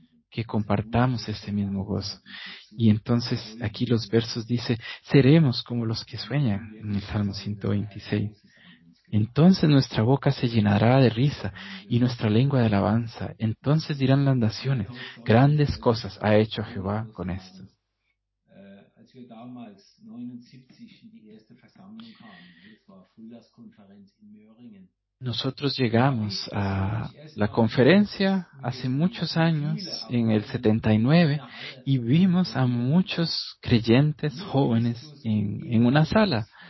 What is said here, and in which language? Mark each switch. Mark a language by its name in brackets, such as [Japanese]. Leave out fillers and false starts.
[Spanish] Que compartamos ese mismo gozo. Y entonces aquí los versos dice, seremos como los que sueñan, en el Salmo 126. Entonces nuestra boca se llenará de risa y nuestra lengua de alabanza. Entonces dirán las naciones, grandes cosas ha hecho Jehová con esto. [German] Als wir damals 79 in die erste Versammlung kamen, das war Frühjahrskonferenz in Möhringen, [Spanish] Nosotros llegamos a la conferencia hace muchos años, en el 79, y vimos a muchos creyentes jóvenes en una sala.